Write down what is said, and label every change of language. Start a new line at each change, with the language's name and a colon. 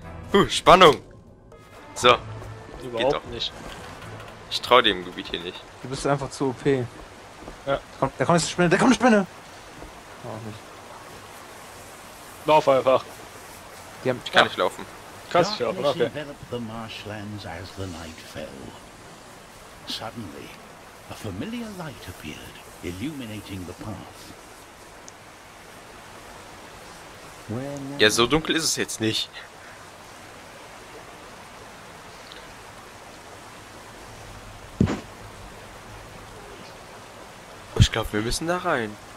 German: Puh, Spannung. So. Überhaupt geht doch nicht. Ich trau dem Gebiet hier nicht. Du bist einfach zu OP. Ja. Da kommt eine Spinne, da kommt eine Spinne! Oh, nicht. Lauf einfach! Die haben, ich kann nicht laufen. Kannst nicht laufen, okay.
English: The marshlands as the night fell. Suddenly, a familiar light appeared, illuminating the path.
German: Ja, so dunkel ist es jetzt nicht. Ich glaube, wir müssen da rein.